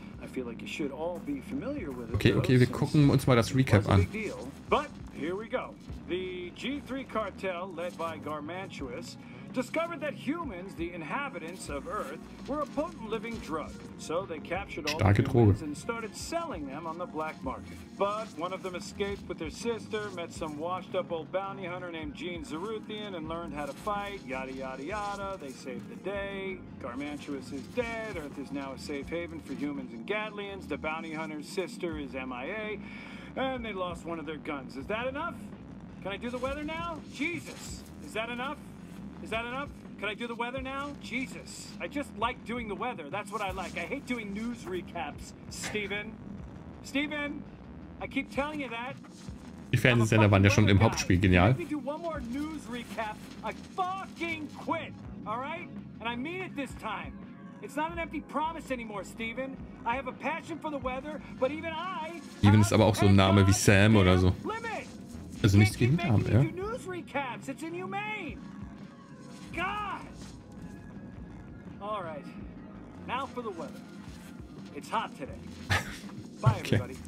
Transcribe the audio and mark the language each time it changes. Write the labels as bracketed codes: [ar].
[en] I feel like you should all be familiar with it. [de] Okay, okay, wir gucken uns mal das Recap an. [en] But here we go. The G3 cartel, led by Garmantuous, discovered that humans, the inhabitants of Earth, were a potent living drug. So they captured all [de] Starke [en] the humans [de] Droge. [en] And started selling them on the black market. But one of them escaped with their sister, met some washed-up old bounty hunter named Gene Zeruthian, and learned how to fight, yada yada yada. They saved the day. Garmantuous is dead. Earth is now a safe haven for humans and Gatlians. The bounty hunter's sister is MIA. And they lost one of their guns. Is that enough? Can I do the weather now? Jesus! Is that enough? Is that enough? Can I do the weather now? Jesus. I just like doing the weather. That's what I like. I hate doing news recaps, Steven. Steven, I keep telling you that. [de] Die Fernsehsender waren ja schon im Hauptspiel genial. [en] If you do one more news recap, I fucking quit, all right? And I mean it this time. It's not an empty promise anymore, Steven. I have a passion for the weather, but even I... [de] Steven ist aber auch so ein Name wie Sam oder so. Also nichts gegen Namen, ja? [en] Do news recaps. It's inhumane. God! All right. Now for the weather. It's hot today. Bye, okay.